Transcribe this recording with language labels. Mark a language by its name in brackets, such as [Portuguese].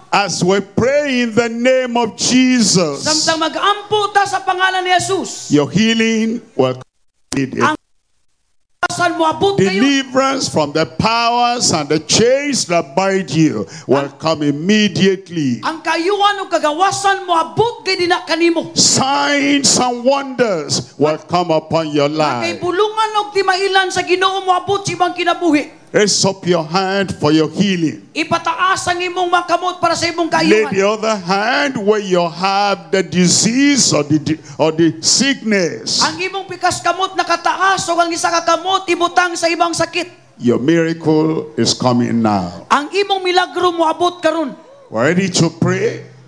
[English] As we pray in the name of Jesus. [Cebuano] Samtang mag-ampo ta sa pangalan ni Jesus. [English] Your healing will come. Deliverance from the powers and the chains that bind you will come immediately. [Cebuano] Ang kayuan ug kagawasan moabot gid na kanimo. [English] Signs and wonders will come upon your life. [Cebuano] Kay bulungan ug timailan sa Ginoo moabot imong kinabuhi. [English] Raise up your hand for your healing. [Cebuano] Ipataas ang imong makamot para sa imong kayuhan. [English] Lay the other hand where you have the disease or the sickness. [Cebuano] Ang imong pikas kamot nakataas o ang isa ka kamot ibutang sa ibang sakit. [English] Your miracle is coming now. [Cebuano] Ang imong milagro moabot karon. [English] Ready to pray?